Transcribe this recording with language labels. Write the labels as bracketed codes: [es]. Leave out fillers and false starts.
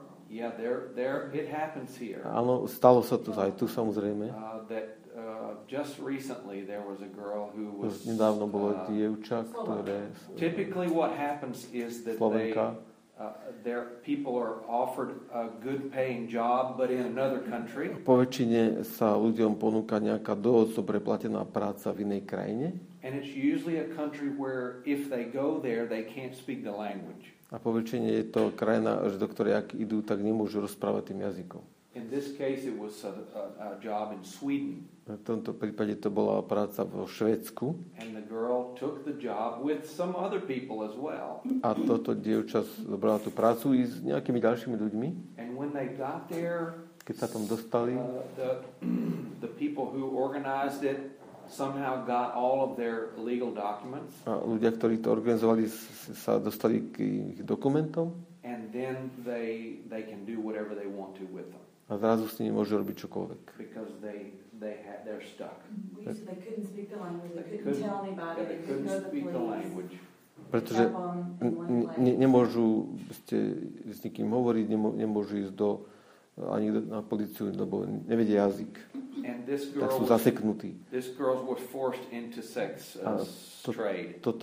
[en] Yeah, there it happens here. [sk] Áno, stalo sa to aj tu samozrejme. [en] Just recently there was a girl who was [sk] nedávno bolo dievča, ktoré [en] typically what happens is that [sk] Slovenka. [en] Their people are offered a good paying job but in another country. [sk] Po väčšine sa ľuďom ponúka nejaká dosť dobre platená práca v inej krajine. [en] And it's usually a country where if they go there they can't speak the language. [sk] A po väčšine je to krajina, že do ktorej ak idú, tak nemôžu rozprávať tým jazykom. [en] In this case it was a job in Sweden. [sk] V tomto prípade to bola práca vo Švédsku. [en] And the girl took the job with some other people as well. [sk] A toto dievča zobrala tú prácu i s nejakými ďalšími ľuďmi. [en] And when they got there, [sk] keď sa tam dostali, [en] the people who organized it somehow got all of their legal documents. [sk] A ľudia, ktorí to organizovali, sa dostali k ich dokumentom. [en] And then they can do whatever they want to with them. [sk] A zrazu s nimi môžu robiť čokoľvek. [en] Because they're stuck. They couldn't speak the language. They couldn't tell anybody. Yeah, they couldn't speak the language. [sk] Pretože nemôžu s nikým hovoriť, nemôžu ísť do ani na políciu, lebo nevedia jazyk. [en] And this girl [sk] tak sú zaseknutí. [en] This girl was forced into sex trade.